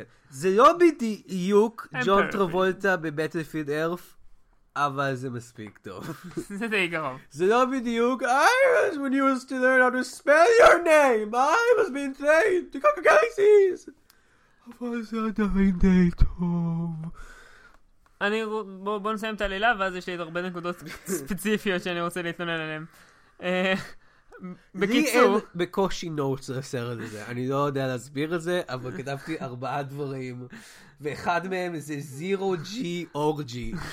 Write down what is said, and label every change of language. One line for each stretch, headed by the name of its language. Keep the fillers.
Hebrew: זה לא בדיוק ג'ון טרבולטה בבטלפילד ארף, אבל זה מספיק טוב. זה די גרוע. זה לא בדיוק,
English: I was when you used to learn how to spell your name, I was being trained to conquer galaxies.
Hebrew: אבל זה עדיין די טוב. אני, בואו נסיים את העלילה, ואז יש לי הרבה נקודות ספציפיות שאני רוצה להתלונן עליהן. בקיצור, אין... בקושי נוטס על הסרט הזה. אני לא יודע להסביר את זה, אבל כתבתי ארבעה דברים, ואחד מהם זה זירו ג'י אורג'י.